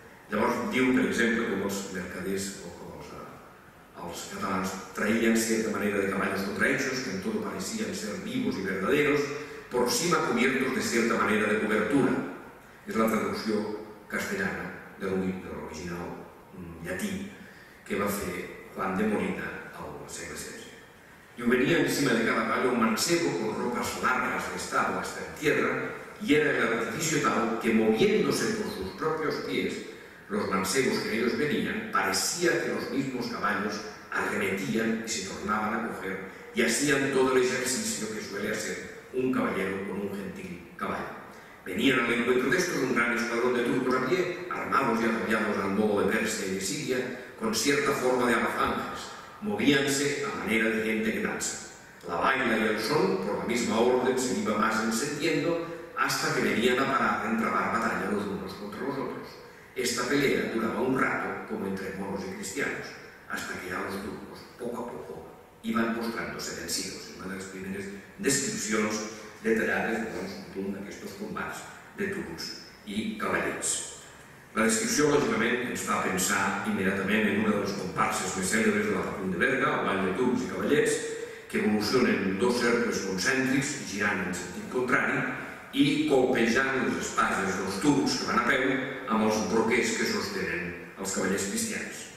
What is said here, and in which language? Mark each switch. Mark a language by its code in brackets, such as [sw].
[ca] Llavors diu, per exemple, com els mercaders o com els catalans traïen certa manera de cavalls o traeixos, que en tot pareixien ser [es] vivos i verdaderos, por cima cubiertos de certa manera de cobertura. [ca] És la traducció castellana de l'original llatí que va fer Juan de Molina al segle XVI. [es] I ho venia encima de cada cavall un mancebo con ropas largas de estado hasta en tierra y era el artificio tal que moviéndose por sus propios pies los mancebos que ellos venían, parecía que los mismos caballos arremetían y se tornaban a coger y hacían todo el ejercicio que suele hacer un caballero con un gentil caballo. Venían al encuentro de estos un gran escuadrón de turcos a pie, armados y arrollados al modo de Persia y de Siria, con cierta forma de alafanjas. Movíanse a manera de gente que danza. La baila y el son, por la misma orden, se iba más encendiendo hasta que venían a parar a entrabar batalla los unos contra los otros. Esta pelea duraba un rato, como entre moros y cristianos, hasta que ya los turcos, poco a poco, iban postrándose vencidos. [ca] Una de las primeras descripciones detallades d'un d'aquests combats de turcs i cavallets. La descripció, lògicament, ens fa pensar immediatament en una de les comparses més cèlebres de la Facundo de Berga, el ball de turcs i cavallets, que evolucionen dos cercles concèntrics, girant en sentit contrari, i colpejant les espases dels turcs que van a peu amb els broquers que sostenen els cavallers cristians.